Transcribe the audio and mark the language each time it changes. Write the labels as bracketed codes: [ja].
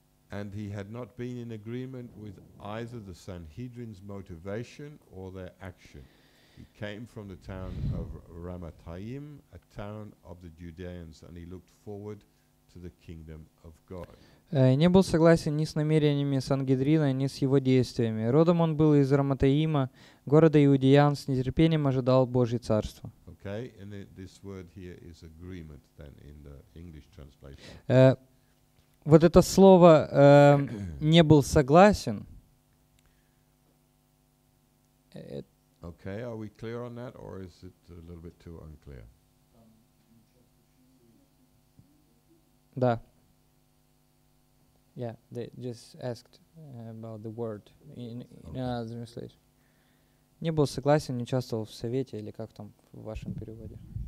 [en] And he had not been in agreement with either the Sanhedrin's motivation or their action. He came from the town of Ramathaim, a town of the Judeans, and he looked forward to the kingdom of God. [ru] Не был согласен ни с намерениями Сангедрина, ни с его действиями. Родом он был из Раматаима, города Иудеян, с нетерпением ожидал Божье царство. [en] Okay, and this word here is agreement then in the English translation. [ru] Вот это слово «не был согласен». [en] Okay, are we clear on that, or is it a little bit too unclear? [ru] Да. [en] Yeah, they just asked about the word in okay. Another translation. [ru] Не был согласен, не участвовал в совете, или как там в вашем переводе.